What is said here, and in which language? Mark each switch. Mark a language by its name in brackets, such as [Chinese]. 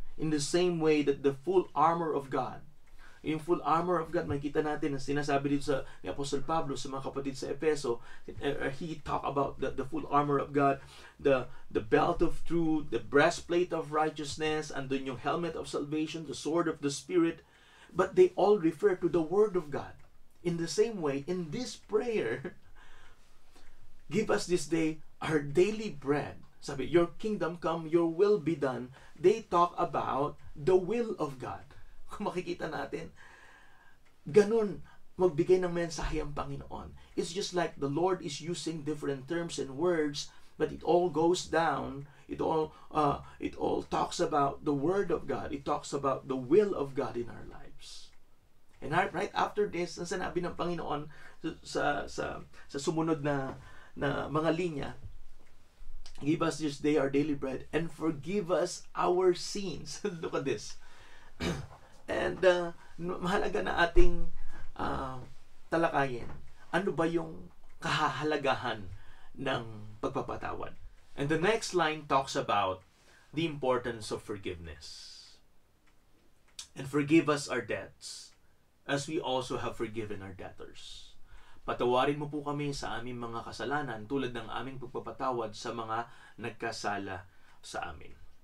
[English] In the same way that the full armor of God, yung full armor of God, [Filipino] makikita natin na sinasabi dito sa ni Apostle Pablo sa mga kapatid sa Efeso, [English] he talked about the full armor of God, the belt of truth, the breastplate of righteousness, and then yung helmet of salvation, the sword of the Spirit, but they all refer to the Word of God. In the same way, in this prayer, give us this day our daily bread. [Filipino] Sabi, [English] your kingdom come, your will be done. They talk about the will of God. [Filipino] Kung makikita natin, ganun magbigay ng mensahe ang Panginoon. [English] It's just like the Lord is using different terms and words, but it all goes down. It all talks about the Word of God. It talks about the will of God in our lives. And right after this, [Filipino] ang sinabi ng Panginoon sa sumunod na mga linya, [English] give us this day our daily bread and forgive us our sins. Look at this. [Filipino] And mahalaga na ating talakayin. Ano ba yung kahahalagahan ng pagpapatawad? [English] And the next line talks about the importance of forgiveness. And forgive us our debts, as we also have forgiven our debtors. [Filipino] Patawarin mo po kami sa aming mga kasalanan tulad ng aming pagpapatawad sa mga nagkasala sa amin.